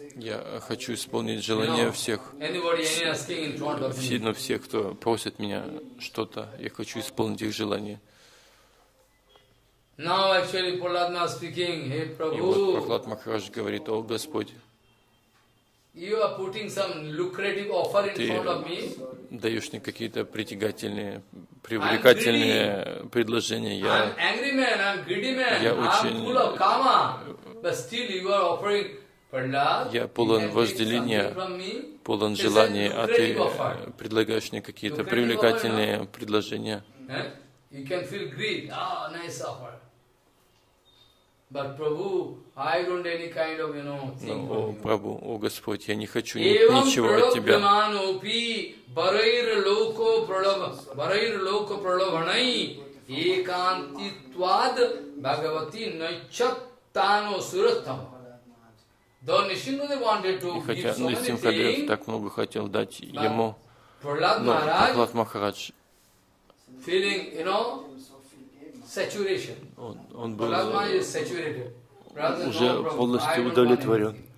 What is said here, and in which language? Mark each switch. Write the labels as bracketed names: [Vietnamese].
[Russian] Я хочу исполнить желание всех. [English] Anybody asking in front of me. [Russian] Но все, кто просит меня что-то, я хочу исполнить их желание. [English] Now actually Prahlada speaking, hey Prabhu. [Russian] И вот Прохлад Махарадж говорит: о Господь. [English] You are putting some lucrative offer in front of me. [Russian] Даешь мне какие-то притягательные, привлекательные предложения. Я [English] angry man, I'm greedy man, [Russian] я очень... [English] I'm full of karma, but still you are offering Prahlad. [Russian] Я полон вожделения, полон желаний, а ты предлагаешь мне какие-то привлекательные предложения. [English] You can feel greed. Ah, nice offer. But Prabhu, I don't any kind of, you know, thing for you. [Russian] О, Прабу, о Господь, я не хочу ничего от тебя. [Sanskrit] Evam pralabhyamanopi barair loko pralabh barair loko pralabhanai ekantitvad bhagavati naichatano suratam. [English] The Nrisimhadev wanted to give so many things. [Russian] Нрисимхадев так много хотел дать ему. Но Прохлад Махарадж, [English] feeling, you know, saturation. [Russian] Он был уже полностью удовлетворен.